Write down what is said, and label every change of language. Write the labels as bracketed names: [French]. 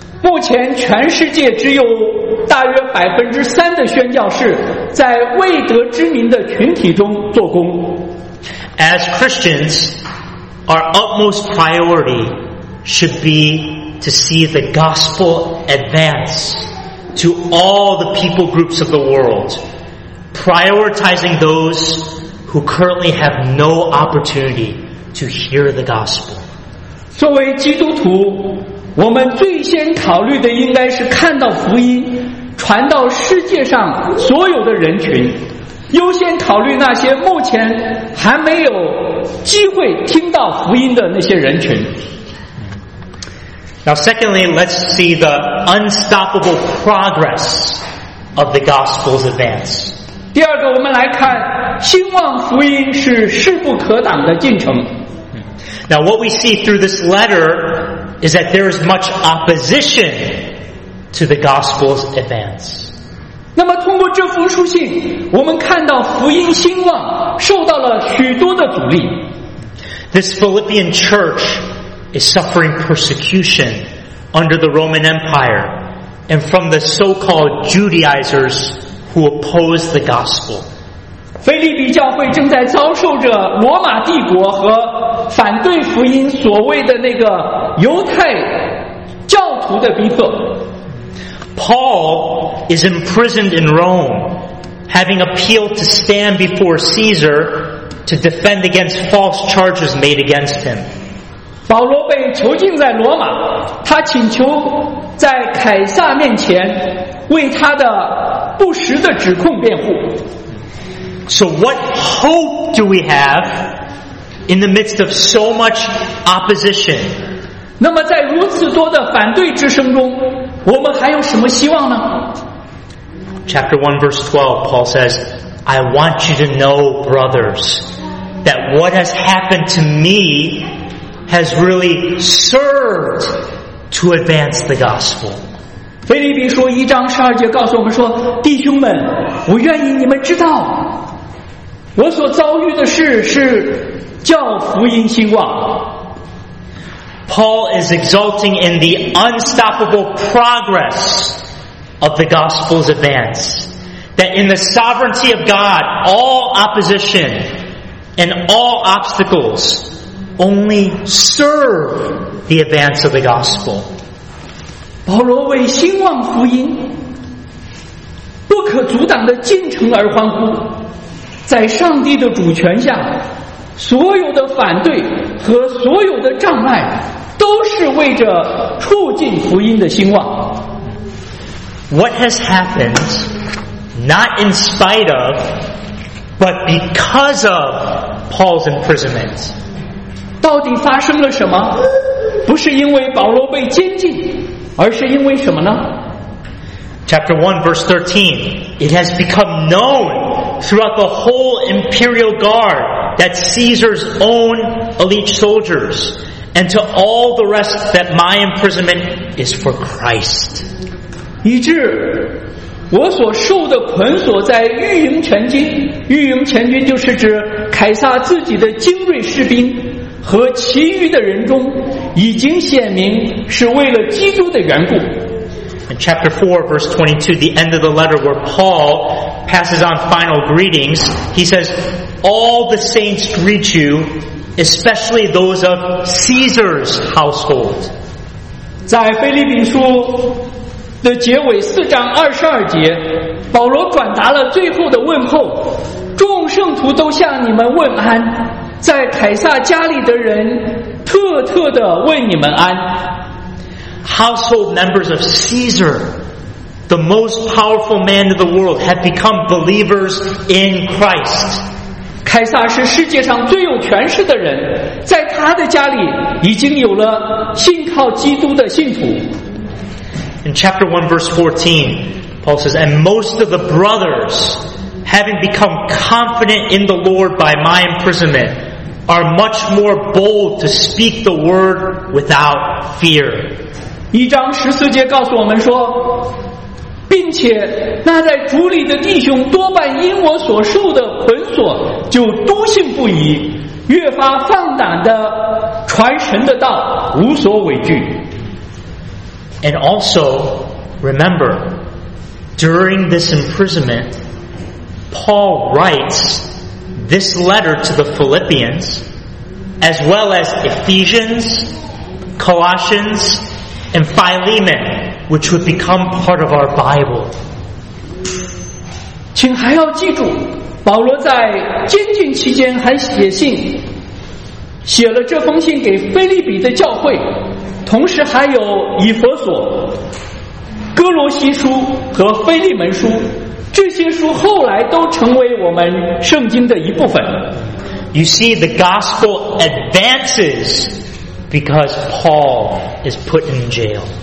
[Chinese] 目前全世界只有大约 3% 的宣教士在未得之名的群体中做工。 [English] As Christians, our utmost priority should be to see the gospel advance to all the people groups of the world, prioritizing those who currently have no opportunity to hear the gospel. [Chinese] 作为基督徒，我们最先考虑的应该是看到福音传到世界上所有的人群，优先考虑那些目前还没有机会听到福音的那些人群。 [English] Now, secondly, let's see the unstoppable progress of the gospel's advance. [Chinese] 第二个，我们来看兴旺福音是势不可挡的进程。 [English] Now, what we see through this letter is that there is much opposition to the gospel's advance. [Chinese] 那么通过这封书信，我们看到福音兴旺受到了许多的阻力。 [English] This Philippian church is suffering persecution under the Roman Empire and from the so-called Judaizers who oppose the gospel. [Chinese] 腓立比教会正在遭受着罗马帝国和反对福音所谓的那个犹太教徒的逼迫。 [English] Paul is imprisoned in Rome, having appealed to stand before Caesar to defend against false charges made against him. [Chinese] 保罗被囚禁在罗马，他请求在凯撒面前为他的不实的指控辩护。 [English] So what hope do we have in the midst of so much opposition? [Chinese] 那么在如此多的反对之声中，我们还有什么希望呢？ [English] Chapter 1 verse 12, Paul says, I want you to know, brothers, that what has happened to me has really served to advance the gospel. [Chinese] 腓立比书一章十二节告诉我们说，弟兄们，我愿意你们知道，我所遭遇的事是叫福音兴旺。 [English] Paul is exulting in the unstoppable progress of the gospel's advance, that in the sovereignty of God, all opposition and all obstacles only serve the advance of the gospel. [Chinese] 保罗为兴旺福音不可阻挡的进程而欢呼，在上帝的主权下，所有的反对和所有的障碍都是为着促进福音的兴旺。 [English] What has happened not in spite of but because of Paul's imprisonment? [Chinese] 到底发生了什么？不是因为保罗被监禁，而是因为什么呢？ [English] Chapter 1 verse 13, it has become known throughout the whole imperial guard that Caesar's own elite soldiers and to all the rest that my imprisonment is for Christ. [Chinese] 以致我所受的捆锁在御营全军，御营全军就是指凯撒自己的精锐士兵和其余的人中，已经显明是为了基督的缘故。 [English] In chapter 4 verse 22, the end of the letter where Paul passes on final greetings, he says, All the saints greet you, especially those of Caesar's household. [Chinese] 在腓立比书的结尾四章二十二节，保罗转达了最后的问候，众圣徒都向你们问安，在凯撒家里的人特特的问你们安。 [English] Household members of Caesar, the most powerful man in the world, have become believers in Christ. [Chinese] 凯撒是世界上最有权势的人，在他的家里已经有了信靠基督的信徒。 [English] In chapter 1 verse 14, Paul says, And most of the brothers, having become confident in the Lord by my imprisonment, are much more bold to speak the word without fear. [Chinese] 一章十四节告诉我们说，并且那在主里的弟兄多半因我所受的捆锁就笃信不疑，越发放胆的传神的道，无所畏惧。 [English] And also, remember, during this imprisonment, Paul writes this letter to the Philippians, as well as Ephesians, Colossians, and Philemon, which would become part of our Bible. [Chinese] 请还要记住，保罗在监禁期间还写信，写了这封信给腓立比的教会，同时还有以弗所、哥罗西书和腓利门书，这些书后来都成为我们圣经的一部分。 [English] You see, the gospel advances because Paul is put in jail.